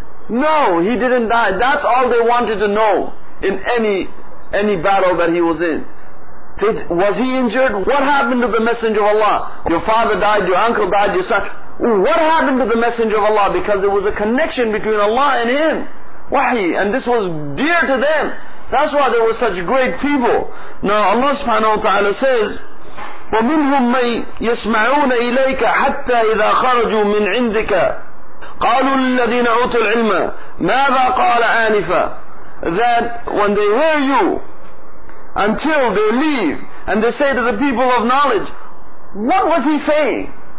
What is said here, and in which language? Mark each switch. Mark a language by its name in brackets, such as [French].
[English] No, he didn't die. That's all they wanted to know in any battle that he was in. Was he injured? What happened to the Messenger of Allah? Your father died, your uncle died, your son. What happened to the Messenger of Allah? Because there was a connection between Allah and him. Wahi. And this was dear to them. That's why they were such great people. Now Allah subhanahu wa ta'ala says, [Arabic] وَمِنْهُمْ مَنْ يَسْمَعُونَ إِلَيْكَ حَتَّى إِذَا خَرَجُوا مِنْ عِنْدِكَ قَالُوا لِلَّذِينَ أُوتُوا الْعِلْمَ مَاذَا قَالَ آنِفًا. [English] That when they hear you, until they leave, and they say to the people of knowledge, what was he saying?